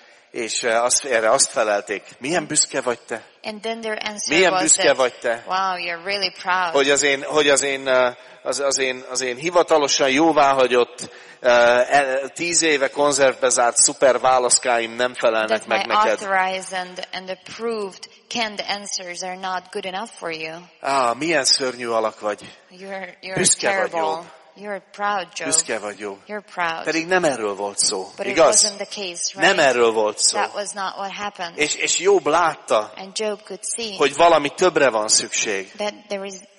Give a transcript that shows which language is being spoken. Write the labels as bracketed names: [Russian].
[Hungarian] És erre azt felelték, milyen büszke vagy te? [English] And then their answer [Hungarian] milyen büszke [English] was [Hungarian] vagy te? [English] Wow, you're really proud. [Hungarian] Hogy az én hivatalosan jóváhagyott 10 éve konzervbe zárt szuper válaszkáim nem felelnek meg neked. [English] That my authorized and approved canned answers are not good enough for you. [Hungarian] Milyen szörnyű alak vagy. [English] You're [Hungarian] büszke [English] terrible. [Hungarian] Vagy Job. [English] You're proud, Job. [Hungarian] Büszke vagy Job. [English] You're proud. [Hungarian] Pedig nem erről volt szó. [English] But [Hungarian] igaz? [English] It wasn't the case, right? [Hungarian] Nem erről volt szó. [English] That was not what happened. [Hungarian] És Job látta, [English] and Job could see, [Hungarian] hogy valami többre van szükség. [English] That there is